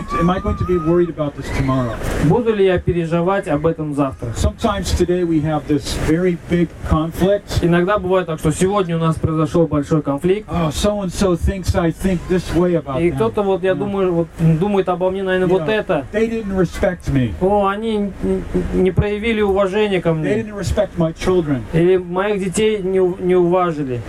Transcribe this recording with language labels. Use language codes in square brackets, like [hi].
[en] Am I going to be worried about this tomorrow? [ru] Буду ли я переживать об этом завтра? [en] Sometimes today we have this very big conflict. [ru] Иногда бывает так, что сегодня у нас произошел большой конфликт. [en] Oh, so and so thinks I think this way about them. [ru] И кто-то вот, я думаю, вот думает обо мне, наверное, вот это. [en] They didn't respect me. [ru] О, они не проявили уважения ко мне. [en] They didn't respect my children. [ru] Или моих детей не уважили.